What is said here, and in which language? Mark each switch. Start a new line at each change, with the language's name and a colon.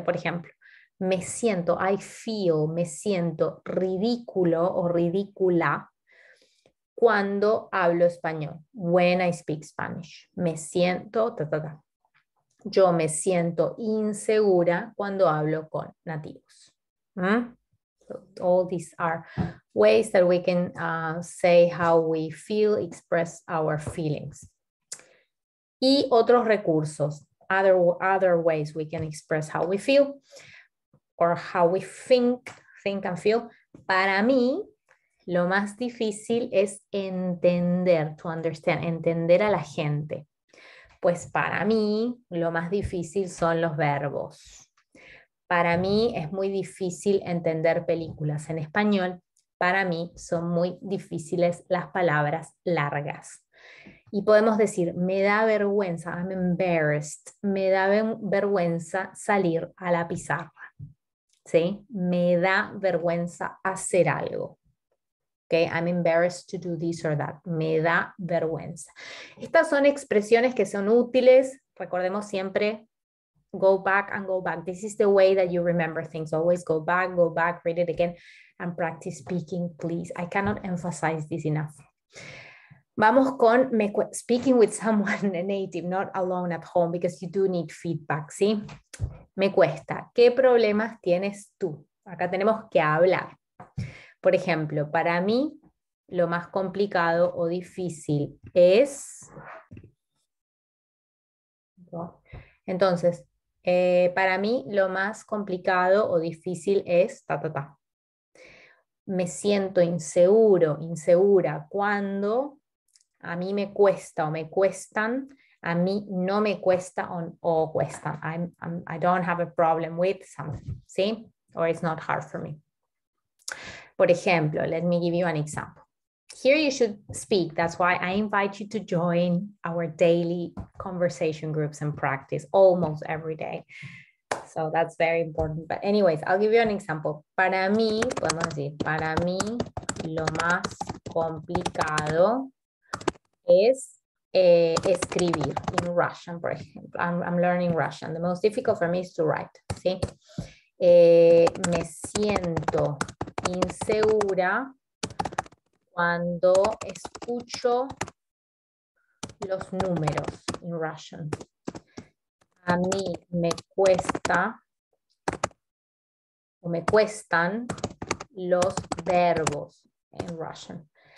Spanish: Por ejemplo, me siento,
English: I feel,
Spanish: me siento ridículo o ridícula cuando hablo español.
English: When I speak Spanish,
Spanish: me siento, ta, ta, ta. Yo me siento insegura cuando hablo con nativos.
English: All these are ways that we can say how we feel, express our feelings.
Spanish: Y otros recursos,
English: other ways we can express how we feel or how we think and feel.
Spanish: Para mí, lo más difícil es entender,
English: to understand,
Spanish: entender a la gente. Pues para mí, lo más difícil son los verbos. Para mí es muy difícil entender películas en español. Para mí son muy difíciles las palabras largas. Y podemos decir, me da vergüenza,
English: I'm embarrassed,
Spanish: me da vergüenza salir a la pizarra. ¿Sí? Me da vergüenza hacer algo.
English: Okay, I'm embarrassed to do this or that.
Spanish: Me da vergüenza. Estas son expresiones que son útiles, recordemos siempre.
English: Go back and go back. This is the way that you remember things. Always go back, read it again, and practice speaking, please. I cannot emphasize this enough.
Spanish: Vamos con
English: speaking with someone, a native, not alone at home, because you do need feedback, ¿sí?
Spanish: Me cuesta. ¿Qué problemas tienes tú? Acá tenemos que hablar. Por ejemplo, para mí, lo más complicado o difícil es. Entonces. Para mí lo más complicado o difícil es ta, ta, ta. Me siento inseguro, insegura cuando a mí me cuesta o me cuestan A mí no me cuesta o cuesta.
English: I don't have a problem with something, ¿sí? Or it's not hard for me.
Spanish: Por ejemplo,
English: let me give you an example. Here you should speak. That's why I invite you to join our daily conversation groups and practice almost every day. So that's very important. But anyways, I'll give you an example.
Spanish: Para mí, podemos decir, para mí lo más complicado es escribir
English: in Russian, for example. I'm learning Russian. The most difficult for me is to write.
Spanish: ¿Sí? Me siento insegura cuando escucho los números
English: in Russian.
Spanish: A mí me cuesta o me cuestan los verbos
English: in Russian.